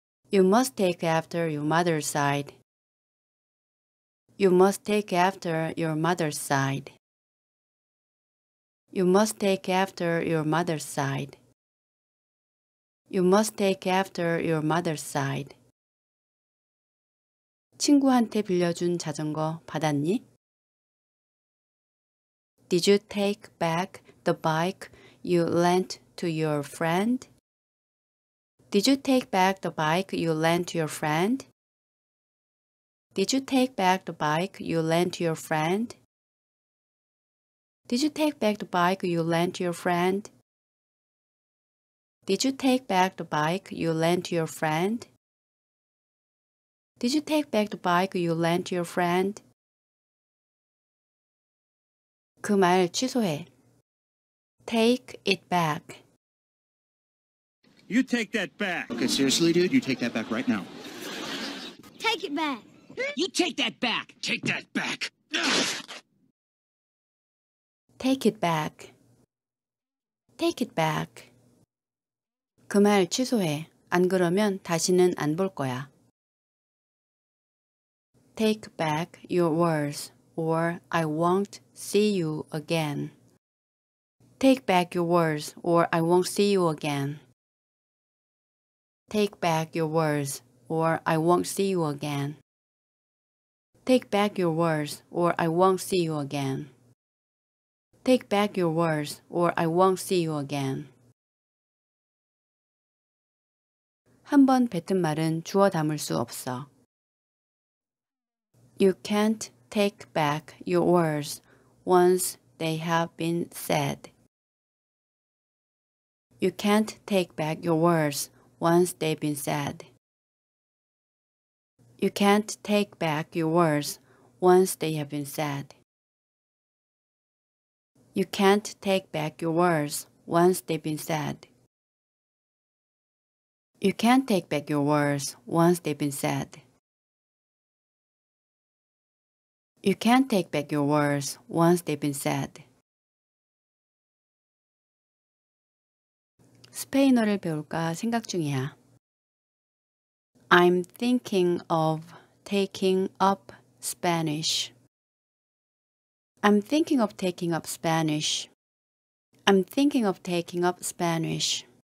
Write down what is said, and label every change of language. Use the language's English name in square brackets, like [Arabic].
[English] You must take after your mother's side. You must take after your mother's side. You must take after your mother's side. You must take after your mother's side. [Korean] 친구한테 빌려준 자전거 받았니? [English] Did you take back the bike you lent to your friend? Did you take back the bike you lent to your friend? Did you take back the bike you lent to your friend? Did you take back the bike you lent to your friend? Did you take back the bike you lent to your friend? Did you take back the bike you lent to your friend? [Korean] 그 말 취소해. [English] Take it back. You take that back. Okay, seriously, dude, you take that back right now. Take it back. You take that back. Take that back. Take it back. Take it back. [Korean] 그 말 취소해. 안 그러면 다시는 안 볼 거야. [English] Take back your words or I won't see you again. Take back your words or I won't see you again. Take back your words or I won't see you again. Take back your words or I won't see you again. Take back your words or I won't see you again. [Korean] 한 번 뱉은 말은 주워 담을 수 없어. [English] You can't take back your words once they have been said. You can't take back your words once they've been said. You can't take back your words once they have been said. You can't take back your words once they've been said. You can't take back your words once they've been said. You can't take back your words once they've been said. [Korean] 스페인어를 배울까 생각 중이야. [English] I'm thinking of taking up Spanish. I'm thinking of taking up Spanish. I'm thinking of taking up Spanish.